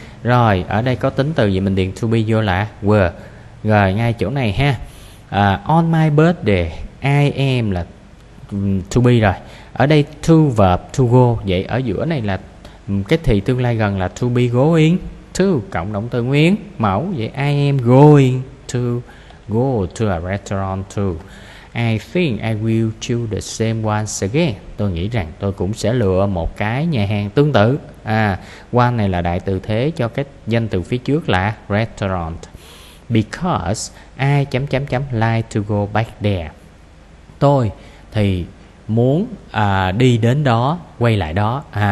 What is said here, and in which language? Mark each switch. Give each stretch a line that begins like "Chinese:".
Vietnamese: Rồi, ở đây có tính từ gì mình điền to be vô là were. Rồi, ngay chỗ này ha.
English: On my birthday, I am là to be rồi.
Vietnamese: Ở đây
English: to verb to go.
Vietnamese: Vậy ở giữa này là cái thì tương lai gần là
English: to be going to
Vietnamese: cộng động từ nguyên mẫu.
English: Vậy I am going to go to a restaurant too. I think I will choose the same once again.
Vietnamese: Tôi nghĩ rằng tôi cũng sẽ lựa một cái nhà hàng tương tự. One này là đại từ thế cho cái danh từ phía trước là restaurant.
English: Because I like to go back there.
Vietnamese: Tôi thì muốn đi đến đó, quay lại đó.